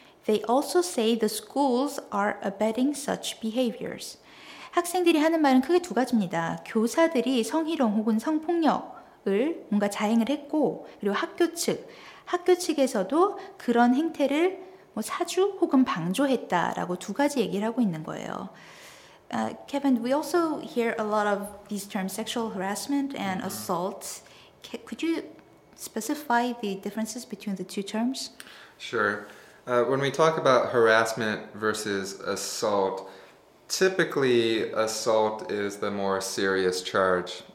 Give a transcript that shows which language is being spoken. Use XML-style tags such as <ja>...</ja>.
<en>They also say the schools are abetting such behaviors.</en> <ko>학생들이 하는 말은 크게 두 가지입니다. 교사들이 성희롱 혹은 성폭력을 뭔가 자행을 했고 그리고 학교 측에서도 그런 행태를 뭐 사주 혹은 방조했다라고 두 가지 얘기를 하고 있는 거예요.</ko> <en>Kevin, we also hear a lot of these terms, sexual harassment and assault. Could you specify the differences between the two terms? Sure. When we talk about harassment versus assault, typically assault is the more serious charge.</en>